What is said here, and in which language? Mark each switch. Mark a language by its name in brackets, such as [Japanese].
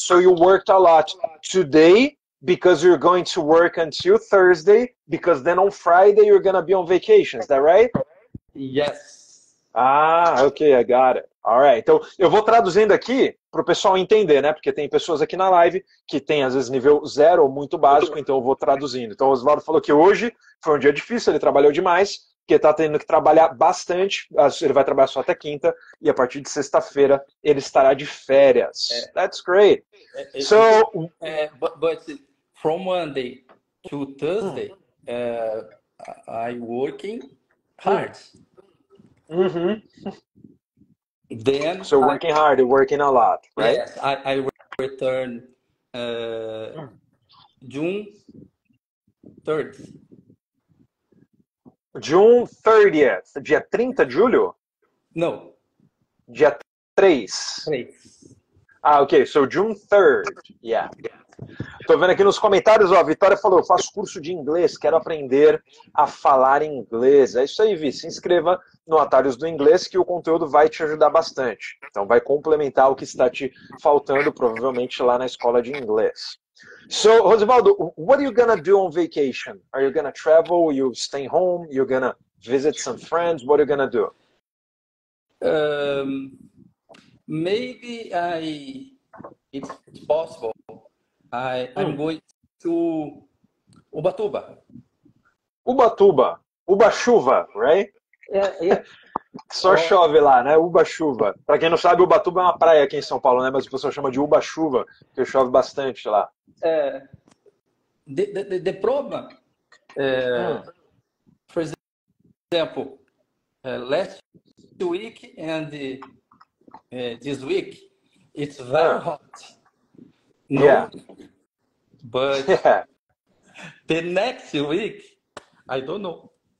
[English] So you worked a lot today because you're going to work until Thursday, because then on Friday you're going to be on vacation. Is that right? Yes. Ah, okay, I got it. All right. [Portuguese] Então, eu vou traduzindo aqui para o pessoal entender, né? Porque tem pessoas aqui na live que tem às vezes nível zero ou muito básico, então eu vou traduzindo. Então, o Oswaldo falou que hoje foi um dia difícil, ele trabalhou demais, porque está tendo que trabalhar bastante. Ele vai trabalhar só até quinta, e a partir de sexta-feira ele estará de férias. [English] That's great. So. But from Monday to Thursday, I working hard. Then So working hard, working a lot, right? I return June 3rd. June 30th, [Portuguese] dia 30 de julho? [English] No. [Portuguese] Dia 3. Três. [English] Ah, okay, so June 3rd. Yeah. [Portuguese] Tô vendo aqui nos comentários, ó, a Vitória falou, eu faço curso de inglês, quero aprender a falar inglês. É isso aí, Vi, se inscreva no Atalhos do Inglês que o conteúdo vai te ajudar bastante. Então vai complementar o que está te faltando provavelmente lá na escola de inglês. [English] So, Rosivaldo, what are you gonna do on vacation? Are you gonna travel? You stay home? You're gonna visit some friends? What are you gonna do? Maybe it's possible. I'm going to Ubatuba. [Portuguese] Ubatuba, Uba chuva, right? Só chove lá, né? Uba chuva. Para quem não sabe, Ubatuba é uma praia aqui em São Paulo, né? Mas o pessoal chama de Uba chuva, porque chove bastante lá. [English] The problem, for example, last week and this week, it's very hot. No, but the next week, I don't know.